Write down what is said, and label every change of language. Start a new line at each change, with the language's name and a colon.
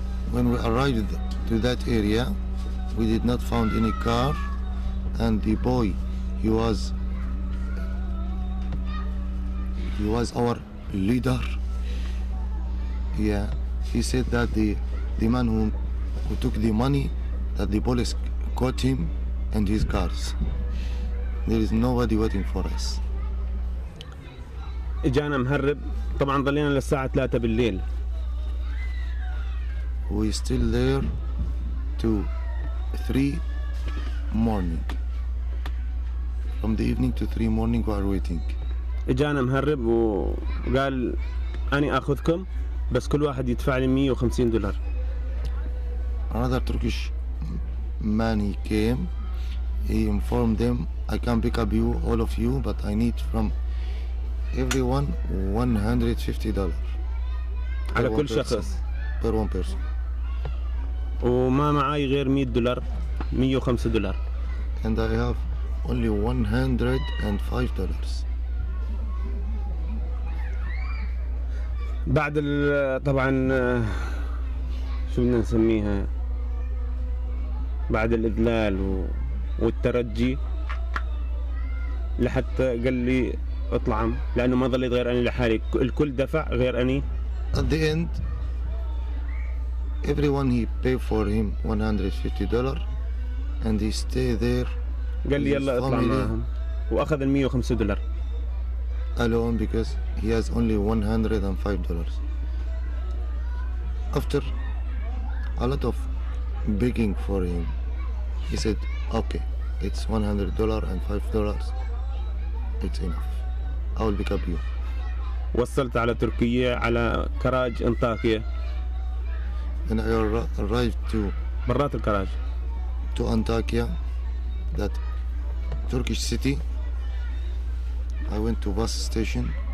English: When we arrived to that area, we did not find any car, and the boy, he was our leader. Yeah, he said that the man who took the money, that the police caught him and his cars. There is nobody waiting for us.
Arabic: اجانا مهرب طبعا ضلينا للساعة 3 بالليل.
English: We still there to 3 morning. From the evening to 3 morning we are waiting.
Arabic: اجانا مهرب وقال اني اخذكم بس كل واحد يدفع لي 150 دولار.
English: Another Turkish man he came, he informed them I can pick up you, all of you, but I need from everyone $150.
Arabic: على كل شخص.
English: Per one person.
Arabic: وما معاي غير 100 دولار 105 دولار.
English: And I have only $105.
Arabic: بعد طبعا شو بدنا نسميها؟ بعد الإذلال والترجي لحتى قال لي اطلع لأنه ما ظليت غير أنا لحالي الكل دفع غير أني.
English: At the end, everyone he paid for him $150 and he stay there.
Arabic: قال لي يلا اطلع معهم وأخذ ال 105 دولار.
English: Alone because he has only $105. After a lot of begging for him, he said, okay, it's $100 and $5. It's enough. I will pick up you.
Arabic: وصلت على تركيا على كراج انطاكية.
English: And I arrived to
Arabic: برات الكراج.
English: To Antakya, that Turkish city. I went to bus station.